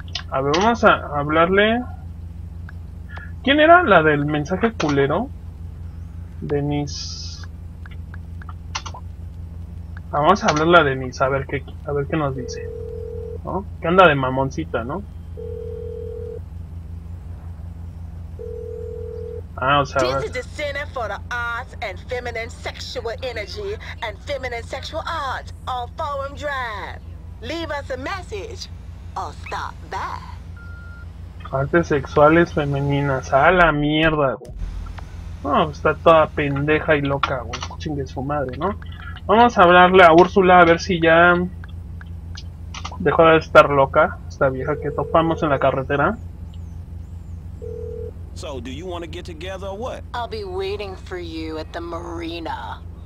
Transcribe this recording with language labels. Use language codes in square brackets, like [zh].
[es] A ver, vamos a hablarle. ¿Quién era la del mensaje culero? Denise. Vamos a hablarle a Denise, a ver qué nos dice, ¿no? Que anda de mamoncita, ¿no? Ah, o sea, [en] this is the Center for the Arts and Feminine Sexual Energy and Feminine Sexual Arts on Forum Drive. Leave us a message or stop by. [es] Artes sexuales femeninas, a la mierda, güey. No, oh, está toda pendeja y loca, güey. Chingue su madre, ¿no? Vamos a hablarle a Úrsula a ver si ya dejó de estar loca, esta vieja que topamos en la carretera. [en] So, do you want to get together or what? I'll be waiting for you at the marina.